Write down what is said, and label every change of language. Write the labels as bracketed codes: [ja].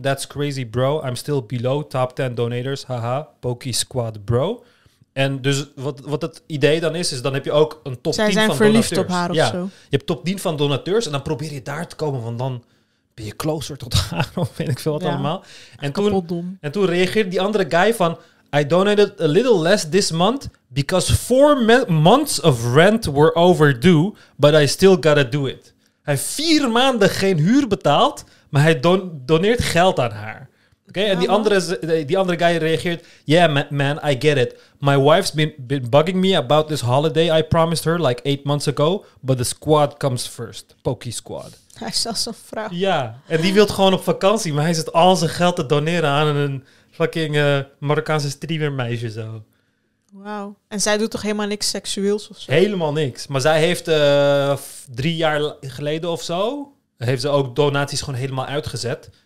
[en] That's crazy, bro. I'm still below top 10 donators. Haha, Poki Squad, bro. [nl] En dus wat het idee dan is dan heb je ook een top 10 van donateurs. Zij zijn verliefd op haar of zo. Je hebt top 10 van donateurs en dan probeer je daar te komen. Want dan ben je closer tot haar of weet ik veel wat allemaal. En toen reageert die andere guy van, [en] I donated a little less this month because 4 months of rent were overdue, but I still gotta do it. [nl] Hij heeft 4 maanden geen huur betaald, maar hij doneert geld aan haar. Okay? Ja, en die andere guy reageert, [en] yeah man, I get it. My wife's been bugging me about this holiday I promised her like 8 months ago, but the squad comes first. Pokey squad. [nl] Hij is zelfs een vrouw. Ja, en die wil gewoon op vakantie, maar hij zit al zijn geld te doneren aan een fucking Marokkaanse streamermeisje zo. Wauw. En zij doet toch helemaal niks seksueels of zo? Helemaal niks. Maar zij heeft 3 jaar geleden of zo, heeft ze ook donaties gewoon helemaal uitgezet.